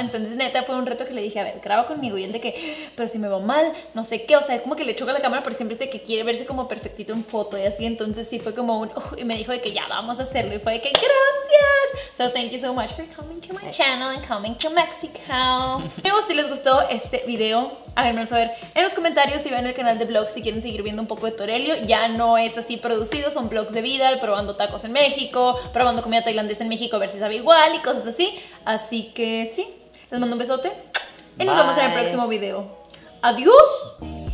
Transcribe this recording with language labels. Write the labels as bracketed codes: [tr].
[es] Entonces, neta, fue un reto que le dije, a ver, graba conmigo. Y él de que, pero si me veo mal, no sé qué. O sea, como que le choca la cámara, pero siempre es de que quiere verse como perfectito en foto y así. Entonces, sí, fue como un... y me dijo de que ya vamos a hacerlo. Y fue de que, gracias. [en] So, thank you so much for coming to my channel and coming to Mexico. [es] Pero si les gustó este video, háganmelo saber en los comentarios y vean el canal de vlog si quieren seguir viendo un poco de Torelio. Ya no es así producido, son vlogs de vida, probando tacos en México, probando comida tailandesa en México, a ver si sabe igual y cosas así. Así que sí, les mando un besote y nos vemos en el próximo video. ¡Adiós! Bye.